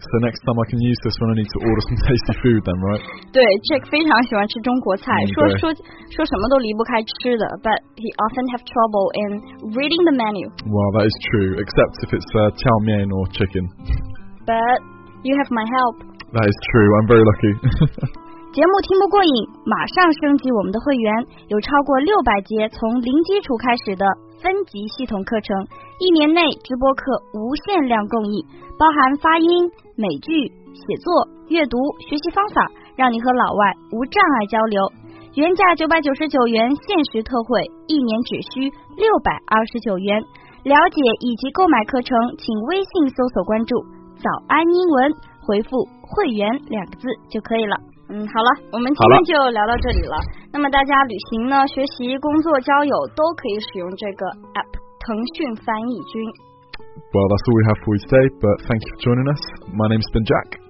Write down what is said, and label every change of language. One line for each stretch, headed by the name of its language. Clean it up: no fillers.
English: So next time I can use this when I need to order some tasty food then, right?
Chinese: 对 Jack 非常喜欢吃中国菜、嗯、说什么都离不开吃的
English: but he often have trouble in reading the menu. Well, that is true, except if it's 炒面or chicken. But you have my help. That is true, I'm very lucky.
Chinese: 节目听不过瘾马上升级我们的会员有超过600节从零基础开始的分级系统课程一年内直播课无限量供应包含发音美剧写作阅读学习方法让你和老外无障碍交流原价999元限时特惠一年只需629元了解以及购买课程请微信搜索关注早安英文回复会员两个字就可以了嗯，好了我们今天就聊到这里了那么大家旅行呢学习工作交友都可以使用这个 app 腾讯翻译君
English: Well that's all we have for you today But thank you for joining us My name's been Jack